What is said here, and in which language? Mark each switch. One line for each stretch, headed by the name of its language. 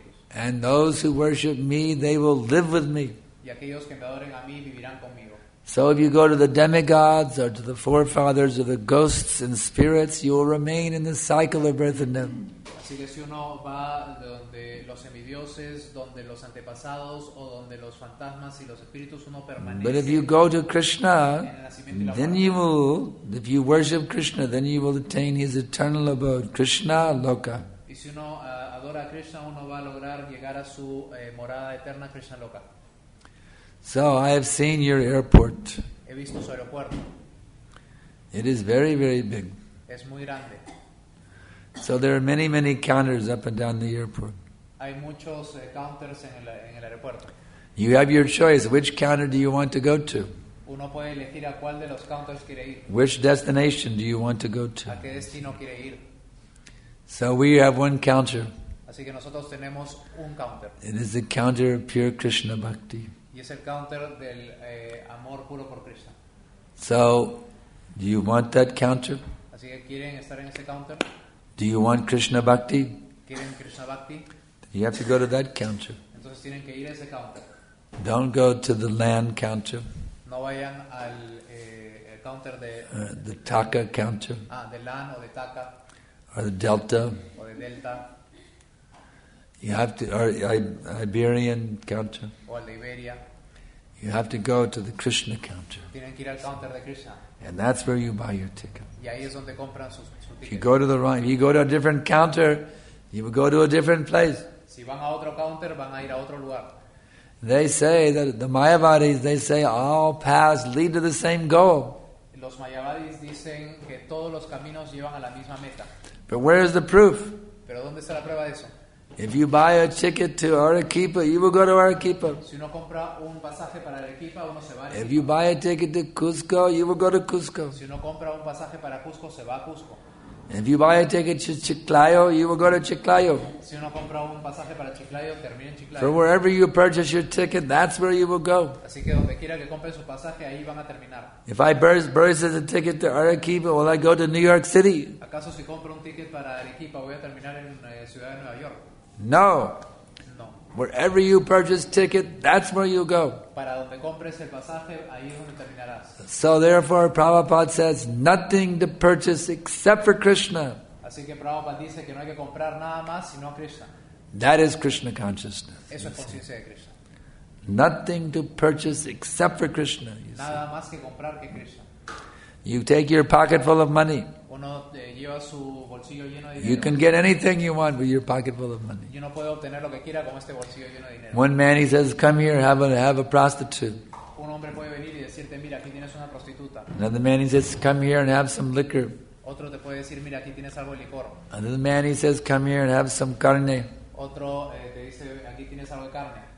English: and those who worship me, they will live with me.
Spanish: Y aquellos que me adoren a mí vivirán conmigo.
English: So if you go to the demigods or to the forefathers or the ghosts and spirits, you will remain in the cycle of birth and death.
Spanish: Así que si uno va donde los semidioses, donde los antepasados o donde los fantasmas y los espíritus uno permanece.
English: But if you go to Krishna, then you will, if you worship Krishna, then you will attain his eternal abode, Krishna Loka.
Spanish: Y si uno adora a Krishna, uno va a lograr llegar a su morada eterna, Krishna Loka.
English: So I have seen your airport.
Spanish: He visto su aeropuerto.
English: It is very, very big.
Spanish: Es muy grande.
English: So there are many, many counters up and down the airport.
Spanish: Hay muchos counters en el aeropuerto.
English: You have your choice. Which counter do you want to go to?
Spanish: Uno puede elegir a cuál de los counters quiere ir.
English: Which destination do you want to go to?
Spanish: ¿A qué destino quiere ir?
English: So we have one counter.
Spanish: Así que nosotros tenemos un counter.
English: It is the counter of pure Krishna bhakti.
Spanish: Y es el counter del amor puro por Krishna.
English: So, do you want that counter?
Spanish: Así que quieren estar en ese counter.
English: Do you want Krishna bhakti?
Spanish: ¿Quieren Krishna bhakti?
English: You have to go to that counter.
Spanish: Entonces tienen que ir a ese counter.
English: Don't go to the land counter.
Spanish: No vayan al counter de
English: The taka counter.
Spanish: Ah, de land o de taka.
English: Or the delta.
Spanish: O de delta.
English: You have to, or Iberian counter.
Spanish: O al de Iberia.
English: You have to go to the Krishna counter.
Spanish: Tienen que ir al counter de Krishna.
English: And that's where you buy your ticket.
Spanish: Y ahí es donde compran sus tickets.
English: If you go to the wrong, if you go to a different counter, you will go to a different place.
Spanish: Si van a otro counter, van a ir a otro lugar.
English: They say that the Mayavadis, they say all paths lead to the same goal.
Spanish: Los Mayavadis dicen que todos los caminos llevan a la misma meta.
English: But where is the proof?
Spanish: Pero ¿dónde está la prueba de eso?
English: If you buy a ticket to Arequipa, you will go to Arequipa.
Spanish: Si uno compra un pasaje para Arequipa, uno se va a Arequipa.
English: If you buy a ticket to Cusco, you will go to Cusco.
Spanish: Si uno compra un pasaje para Cusco, se va a Cusco.
English: If you buy a ticket to Chiclayo, you will go to Chiclayo.
Spanish: Si uno compra un pasaje para Chiclayo, termina en Chiclayo.
English: For wherever you purchase your ticket, that's where you will go.
Spanish: Así que donde quiera que compre su pasaje, ahí van a terminar.
English: If I purchase a ticket to Arequipa, will I go to New York City?
Spanish: ¿Acaso si compro un ticket para Arequipa, voy a terminar en Ciudad de Nueva York?
English: No.
Spanish: No.
English: Wherever you purchase ticket, that's where you go.
Spanish: Para donde compres el pasaje, ahí es donde terminarás.
English: So therefore, Prabhupada says nothing to purchase except for Krishna.
Spanish: Así que Prabhupada dice que no hay que comprar nada más sino Krishna.
English: That is Krishna consciousness.
Spanish: Eso es conciencia de Krishna.
English: Nothing to purchase except for Krishna.
Spanish: Nada más que comprar que Krishna.
English: You take your pocket full of money.
Spanish: Uno lleva su bolsillo lleno de dinero.
English: You can get anything you want with your pocket full of money.
Spanish: Y uno puede obtener lo que quiera con este bolsillo lleno de dinero.
English: One man, he says, come here, have a prostitute.
Spanish: Un hombre puede venir y decirte, mira, aquí tienes una prostituta.
English: Another man, he says, come here and have some liquor.
Spanish: Otro te puede decir, mira, aquí tienes algo de licor.
English: Another man, he says, come here and have some carne.
Spanish: Otro te dice, aquí tienes algo de carne.